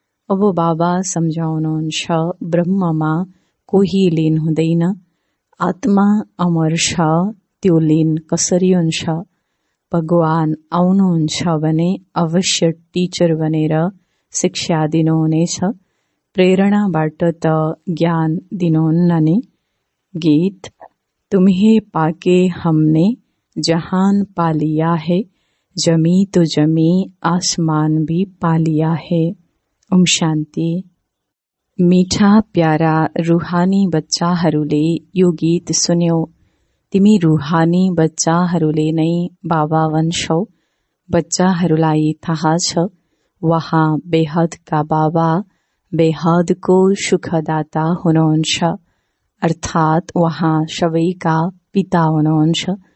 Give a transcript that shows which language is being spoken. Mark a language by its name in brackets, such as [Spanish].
[Nepali] अब बाबा सम्झाउनुहुन्छ, ब्रह्ममा कोही लिन हुँदैन, आत्मा अमर छ, त्यो लिन कसरी हुन्छ? भगवान आउनुहुन्छ भने अवश्य टिचर बनेर शिक्षा दिनुहुनेछ, प्रेरणाबाट त ज्ञान दिनुहुन्न नि। [Hindi] गीत: तुम्हें पाके हमने जहान पा लिया है, जमी तो जमी आसमान भी पा लिया है। [Nepali] ओम शांति। मीठा प्यारा रूहानी बच्चाहरूले यो गीत सुन्यो, तिमी रूहानी बच्चाहरूले नै बाबा वंशौ। बच्चाहरूलाई थाहा छ वहाँ बेहद का बाबा बेहद को सुखदाता हुनुहुन्छ, अर्थात वहाँ सबै का पिता हुनुहुन्छ।